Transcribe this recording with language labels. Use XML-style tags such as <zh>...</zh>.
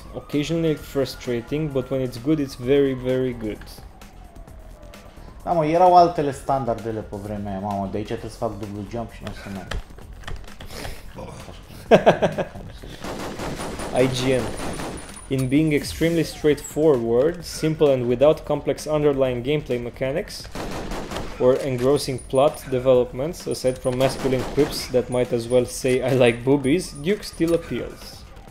<en>Occasionally frustrating, but when it's good, it's very, very good.</en> <ro>Da, mă, erau altele standardele pe vremea aia, mamă. De aici trebuie să fac double jump și nu să merg.</ro> <en>IGN. In being extremely straightforward, simple and without complex underlying gameplay mechanics or engrossing plot developments, aside from masculine quips that might as well say I like boobies, Duke still appeals.</en>